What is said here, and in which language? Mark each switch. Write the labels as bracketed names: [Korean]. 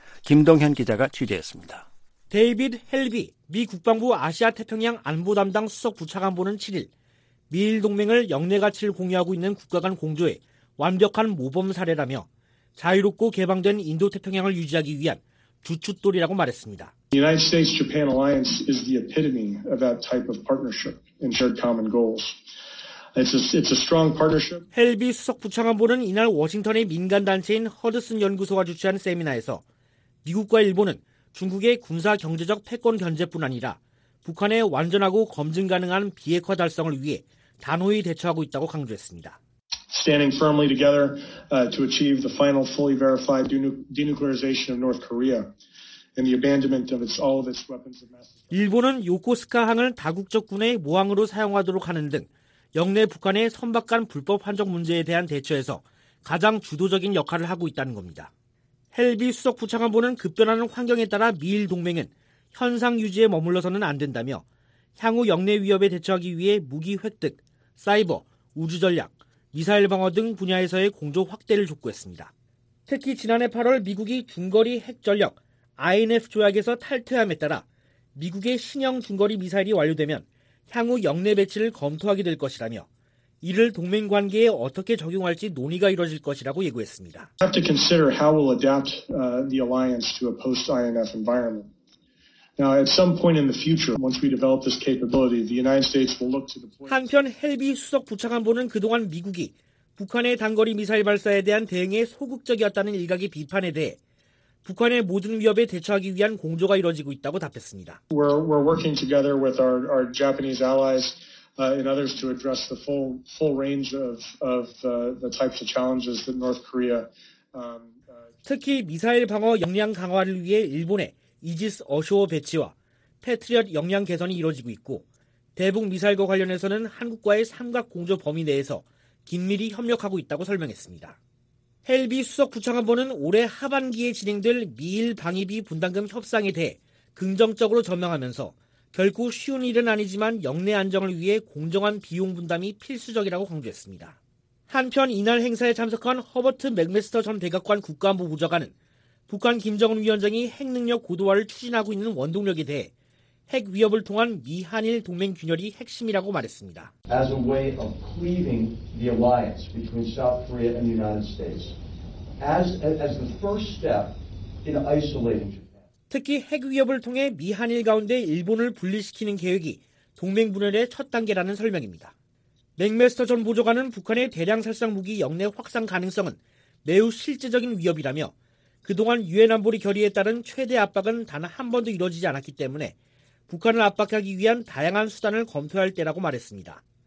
[Korean] 김동현 기자가 취재했습니다. 데이빗 헬비, 미 국방부 아시아태평양 안보 담당 수석 부차관보는 7일 미일 동맹을 영내 가치를 공유하고 있는 국가 간 공조에 완벽한 모범 사례라며 자유롭고 개방된 인도태평양을 유지하기 위한 주춧돌이라고 말했습니다. [English] The United States Japan Alliance is the epitome of that type of partnership and shared common goals. It's a strong partnership. [Korean] 헬비 수석 부차관보는 이날 워싱턴의 민간 단체인 허드슨 연구소가 주최한 세미나에서 미국과 일본은 중국의 군사 경제적 패권 견제뿐 아니라 북한의 완전하고 검증 가능한 비핵화 달성을 위해 단호히 대처하고 있다고 강조했습니다. [English] Standing firmly together to achieve the final fully verified denuclearization of North Korea and the abandonment of its all of its weapons of mass destruction. [Korean] 일본은 요코스카 항을 다국적 군의 모항으로 사용하도록 하는 등 영내 북한의 선박 간 불법 환적 문제에 대한 대처에서 가장 주도적인 역할을 하고 있다는 겁니다. 헬비 수석 부차관보는 급변하는 환경에 따라 미일 동맹은 현상 유지에 머물러서는 안 된다며 향후 영내 위협에 대처하기 위해 무기 획득, 사이버, 우주 전략, 미사일 방어 등 분야에서의 공조 확대를 촉구했습니다. 특히 지난해 8월 미국이 중거리 핵 전력 INF 조약에서 탈퇴함에 따라 미국의 신형 중거리 미사일이 완료되면 향후 영내 배치를 검토하게 될 것이라며 이를 동맹 관계에 어떻게 적용할지 논의가 이뤄질 것이라고 예고했습니다. [English] We have to consider how we'll adapt the alliance to a post-INF environment. Now, at some point in the future, once we develop this capability, the United States will look to deploy. [Korean] 한편 헬비 수석 부차관보는 그동안 미국이 북한의 단거리 미사일 발사에 대한 대응에 소극적이었다는 일각의 비판에 대해 북한의 모든 위협에 대처하기 위한 공조가 이루어지고 있다고 답했습니다. [English] We're working together with our Japanese allies and others to address the full range of the types of challenges that North Korea. [Korean] 특히 미사일 방어 역량 강화를 위해 일본에 이지스 어쇼어 배치와 패트리엇 역량 개선이 이루어지고 있고 대북 미사일과 관련해서는 한국과의 삼각 공조 범위 내에서 긴밀히 협력하고 있다고 설명했습니다. 헬비 수석 부차관보는 올해 하반기에 진행될 미일 방위비 분담금 협상에 대해 긍정적으로 전망하면서 결코 쉬운 일은 아니지만 역내 안정을 위해 공정한 비용 분담이 필수적이라고 강조했습니다. 한편 이날 행사에 참석한 허버트 맥메스터 전 백악관 국가안보 보좌관은 북한 김정은 위원장이 핵 능력 고도화를 추진하고 있는 원동력에 대해 핵 위협을 통한 미 한일 동맹 균열이 핵심이라고 말했습니다. [English] As a way of cleaving the alliance between South Korea and the United States, as the first step in isolating Japan. [Korean] 특히 핵 위협을 통해 미 한일 가운데 일본을 분리시키는 계획이 동맹 분열의 첫 단계라는 설명입니다. 맥메스터 전 보좌관은 북한의 대량 살상 무기 역내 확산 가능성은 매우 실제적인 위협이라며 그동안 유엔 안보리 결의에 따른 최대 압박은 단 한 번도 이루어지지 않았기 때문에 북한을 압박하기 위한 다양한 수단을 검토할 때라고 말했습니다.